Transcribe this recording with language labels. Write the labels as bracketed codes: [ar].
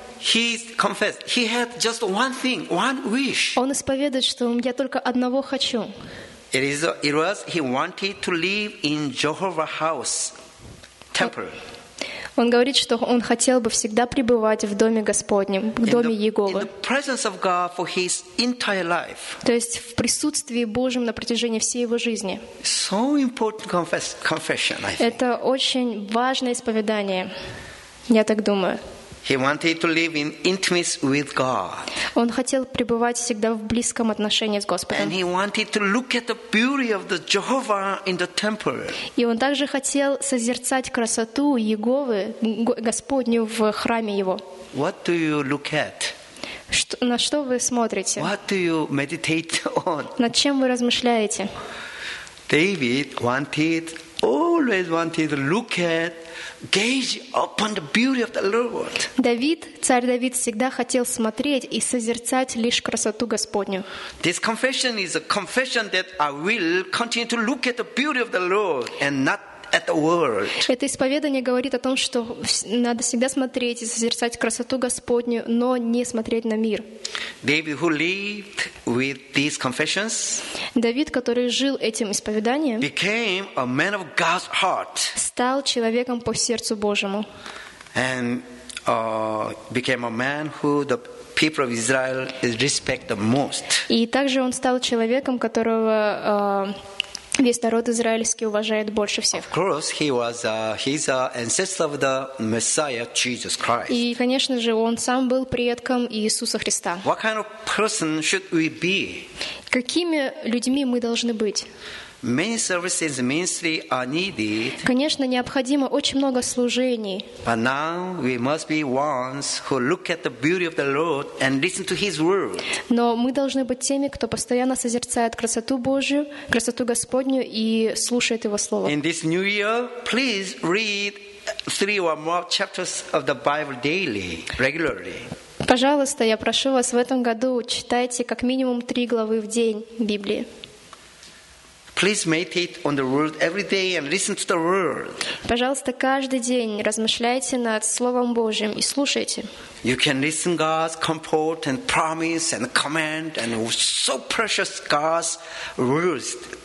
[en] He confessed. He had just one thing, one wish. [ru] Он исповедует, что я только одного хочу. [en] It was he wanted to live in Jehovah's house, temple. [ru] Он говорит, что он хотел бы всегда пребывать в доме Господнем, в доме Иеговы. [en] In the presence of God for his entire life. [ru] То есть в присутствии Божьем на протяжении всей его жизни. [en] So important confession, I think. [ru] Это очень важное исповедание. Я так думаю. [en] He wanted to live in intimacy with God. [ru] Он хотел пребывать всегда в близком отношении с Господом. [en] And he wanted to look at the beauty of the Jehovah in the temple. [ru] И он также хотел созерцать красоту Иеговы, Господню в храме его. [en] What do you look at? [ru] На что вы смотрите? [en] What do you meditate on? [ru] Над чем вы размышляете? [en] David always wanted to look at, gaze upon the beauty of the Lord. [ru] Давид, царь Давид, всегда хотел смотреть и созерцать лишь красоту Господню. [en] This confession is a confession that I will continue to look at the beauty of the Lord and not at the world. [ru] Это исповедание говорит о том, что надо всегда смотреть и созерцать красоту Господню, но не смотреть на мир. [en] David, who lived with these confessions, [ru] David, который жил этим исповеданием, [en] became a man of God's heart, [ru] стал человеком по сердцу Божьему, [en] and became a man who the people of Israel respect the most. [ru] И также он стал человеком, которого весь народ израильский уважает больше всех. [en] Of course, he's an ancestor of the Messiah, Jesus Christ. [ru] И, конечно же, он сам был предком Иисуса Христа. [en] What kind of person should we be? [ru] Какими людьми мы должны быть? [en] Many services in ministry are needed. [ru] Конечно, необходимо очень много служений. [en] But now we must be ones who look at the beauty of the Lord and listen to His word. [ru] Но мы должны быть теми, кто постоянно созерцает красоту Божью, красоту Господню и слушает Его слово. [en] In this new year, please read 3 or more chapters of the Bible daily, regularly. [ru] Пожалуйста, я прошу вас в этом году читайте как минимум 3 главы в день Библии. [en] Please meditate on the word every day and listen to the word. [ru] Пожалуйста, каждый день размышляйте над Словом Божьим и слушайте. [en] You can listen to God's comfort and promise and command and so precious God's words.